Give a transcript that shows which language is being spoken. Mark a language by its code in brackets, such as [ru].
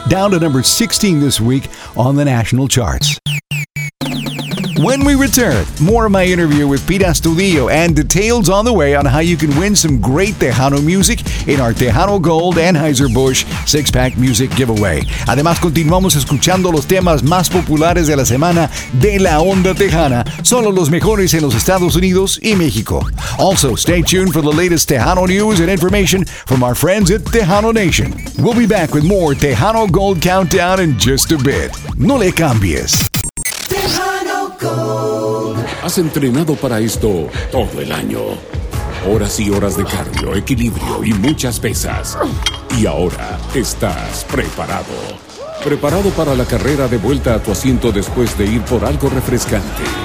[en] Down to number 16 this week on the national charts. When we return, more of my interview with Pete Astudillo and details on the way on how you can win some great Tejano music in our Tejano Gold Anheuser-Busch six-pack music giveaway. [es] Además, continuamos escuchando los temas más populares de la semana de La Onda Tejana, solo los mejores en los Estados Unidos y México. [en] Also, stay tuned for the latest Tejano news and information from our friends at Tejano Nation. We'll be back with more Tejano Gold Countdown in just a bit. [es] No le cambies. Has entrenado para esto todo el año. Horas y horas de cardio, equilibrio y muchas pesas. Y ahora estás preparado. Preparado para la carrera de vuelta a tu asiento después de ir por algo refrescante.